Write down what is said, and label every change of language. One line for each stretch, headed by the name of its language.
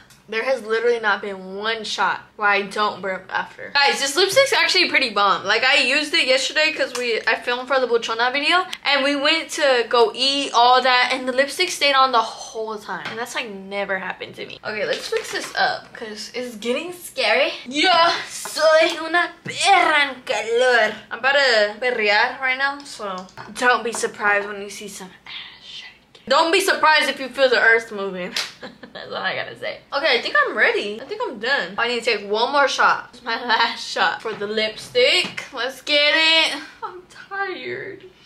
English: There has literally not been one shot where I don't burp after. Guys, this lipstick's actually pretty bomb. Like, I used it yesterday because I filmed for the Buchona video. And we went to go eat, all that. And the lipstick stayed on the whole time. And that's, like, never happened to me. Okay, let's fix this up because it's getting scary.
Spanish: Yo soy una perra en calor.
English: I'm about to perrear right now, so don't be surprised when you see some ash. Don't be surprised if you feel the earth moving. That's what I gotta say. Okay, I think I'm ready. I think I'm done. I need to take one more shot. It's my last shot for the lipstick. Let's get it. I'm tired.